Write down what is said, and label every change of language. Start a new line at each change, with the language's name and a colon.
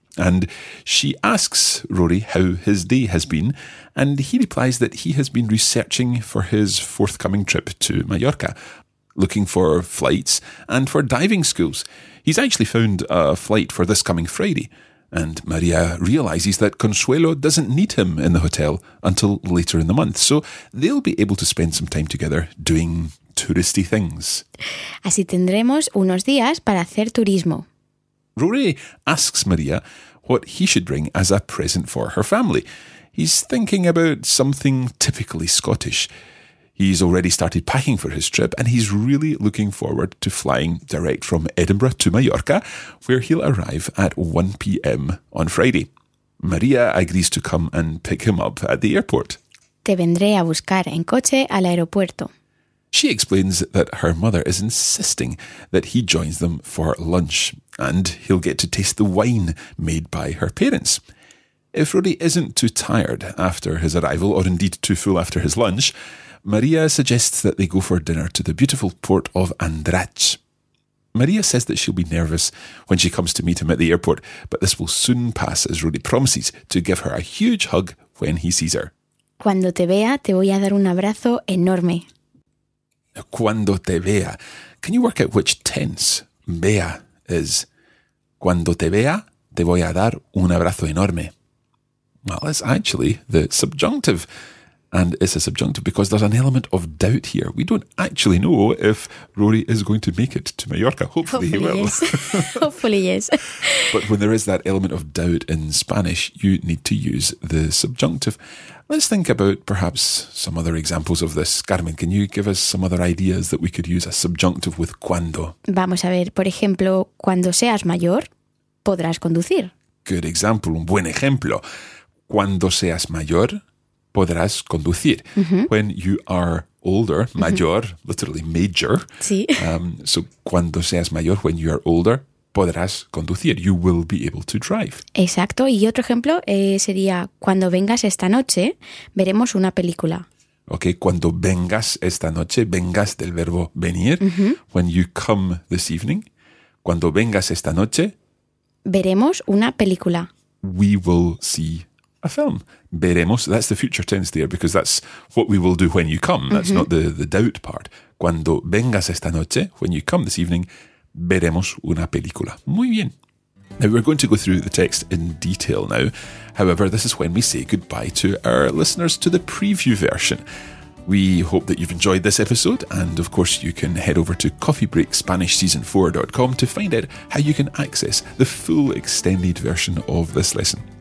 English: And she asks Rory how his day has been, and he replies that he has been researching for his forthcoming trip to Mallorca, looking for flights and for diving schools. He's actually found a flight for this coming Friday, and Maria realises that Consuelo doesn't need him in the hotel until later in the month, so they'll be able to spend some time together doing touristy things.
Spanish: Así tendremos unos días para hacer turismo.
English: Rory asks Maria what he should bring as a present for her family. He's thinking about something typically Scottish. He's already started packing for his trip, and he's really looking forward to flying direct from Edinburgh to Mallorca, where he'll arrive at 1 p.m. on Friday. Maria agrees to come and pick him up at the airport.
Spanish: Te vendré a buscar en coche al aeropuerto.
English: She explains that her mother is insisting that he joins them for lunch, and he'll get to taste the wine made by her parents. If Rory isn't too tired after his arrival, or indeed too full after his lunch, Maria suggests that they go for dinner to the beautiful port of Andratx. Maria says that she'll be nervous when she comes to meet him at the airport, but this will soon pass as Rory promises to give her a huge hug when he sees her.
Spanish: Cuando te vea, te voy a dar un abrazo enorme. Cuando te vea.
English: Can you work out which tense vea is?
Spanish: Cuando te vea, te voy a dar un abrazo enorme.
English: Well, it's actually the subjunctive. And it's a subjunctive because there's an element of doubt here. We don't actually know if Rory is going to make it to Mallorca. Hopefully he will. Yes. Hopefully, yes. But when there is that element of doubt in Spanish, you need to use the subjunctive. Let's think about perhaps some other examples of this. Carmen, can you give us some other ideas that we could use a subjunctive with cuando?
Spanish: Vamos a ver. Por ejemplo, cuando seas mayor, podrás conducir.
English: Good example.
Spanish: Un buen ejemplo. Cuando seas mayor, podrás conducir. Mm-hmm.
English: When you are older, mayor, mm-hmm. literally major.
Spanish: Sí.
English: So,
Spanish: cuando seas mayor,
English: when you are older,
Spanish: podrás conducir.
English: You will be able to drive.
Spanish: Exacto. Y otro ejemplo sería, cuando vengas esta noche, veremos una película.
English: Ok.
Spanish: Cuando vengas esta noche, vengas del verbo venir. Mm-hmm.
English: When you come this evening,
Spanish: cuando vengas esta noche, veremos una película.
English: We will see a film.
Spanish: Veremos.
English: That's the future tense there, because that's what we will do when you come. That's mm-hmm. not the doubt part.
Spanish: Cuando vengas esta noche,
English: when you come this evening,
Spanish: veremos una película. Muy bien.
English: Now, we're going to go through the text in detail now. However, this is when we say goodbye to our listeners to the preview version. We hope that you've enjoyed this episode, and of course you can head over to coffeebreakspanishseason4.com to find out how you can access the full extended version of this lesson.